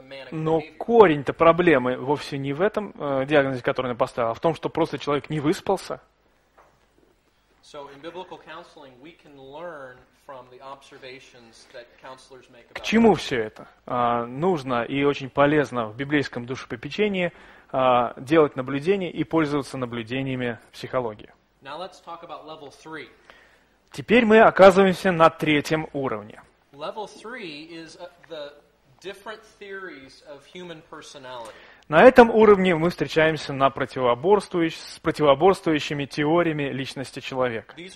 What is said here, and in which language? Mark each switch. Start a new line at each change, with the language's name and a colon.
Russian: Но корень-то проблемы вовсе не в этом диагнозе, который он поставил, а в том, что просто человек не выспался.
English: So in biblical counseling we can learn from the observations that counselors make about.
Russian: К чему все это? Нужно и очень полезно в библейском душепопечении делать наблюдения и пользоваться наблюдениями психологии.
English: Now let's talk about level 3.
Russian: Теперь мы оказываемся на третьем уровне.
English: Level 3 is the different theories of human personality.
Russian: На этом уровне мы встречаемся на с противоборствующими теориями личности человека.